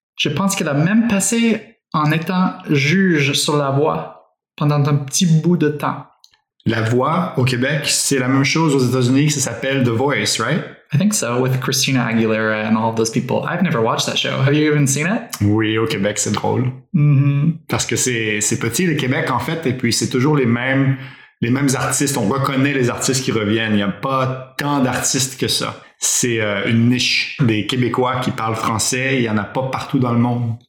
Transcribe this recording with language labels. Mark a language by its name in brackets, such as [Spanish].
[French] Je pense qu'il a même passé en étant juge sur La Voix pendant un petit bout de temps. La Voix au Québec, c'est la même chose aux États-Unis, ça s'appelle The Voice, right? [English] I think so, with Christina Aguilera and all of those people. I've never watched that show. Have you even seen it? [French] Oui, au Québec, c'est drôle. Mm-hmm. Parce que c'est petit, le Québec, en fait, et puis c'est toujours les mêmes artistes. On reconnaît les artistes qui reviennent. Il n'y a pas tant d'artistes que ça. C'est une niche des Québécois qui parlent français. Il n'y en a pas partout dans le monde.